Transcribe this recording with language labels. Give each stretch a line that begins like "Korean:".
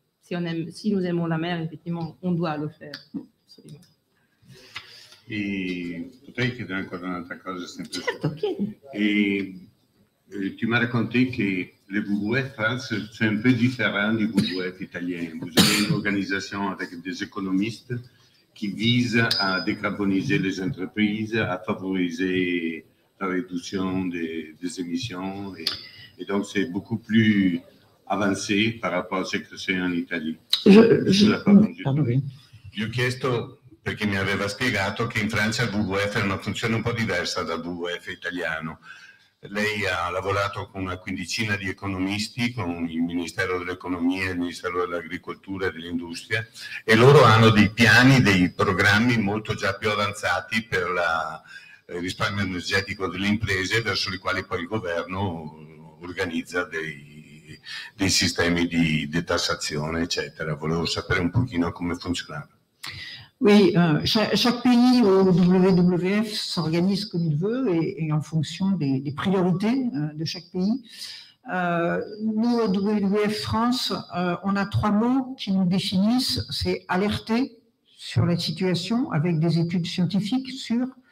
French: Si nous aimons la mer, effectivement, on doit le faire.
Italian: Sì. E potrei chiedere ancora un'altra cosa? Sempre. Certo, chiedi. Ti mi racconti che le WWF France sono un po' differenti dai WWF italiani. Abbiamo un'organizzazione
French: avec des économistes qui vise à décarboniser les entreprises, à favoriser la réduction des émissions. Et donc, c'est beaucoup plus avancé par rapport à ce que c'est en Italie.
Italian: Gli ho chiesto, perché mi aveva spiegato, che in Francia il WWF ha una funzione un po' diversa dal WWF italiano. Lei ha lavorato con una quindicina di economisti, con il Ministero dell'Economia, il Ministero dell'Agricoltura e dell'Industria, e loro hanno dei piani, dei programmi molto già più avanzati per il risparmio energetico delle imprese, verso i quali poi il governo organizza dei sistemi di detassazione, eccetera. Volevo sapere un pochino come funzionava.
French: Oui, chaque pays au WWF s'organise comme il veut et en fonction des priorités de chaque pays. Nous, au WWF France, on a trois mots qui nous définissent. C'est alerter sur la situation avec des études scientifiques sur.